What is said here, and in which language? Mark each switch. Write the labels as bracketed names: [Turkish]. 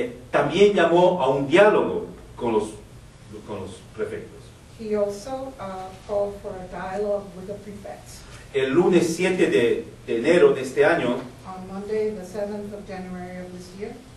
[Spanish] También llamó a un diálogo con los prefectos. [English] He also called for a dialogue with the prefects. [Spanish] El lunes 7 de enero de este año, [English] on Monday, the 7th of January of this year,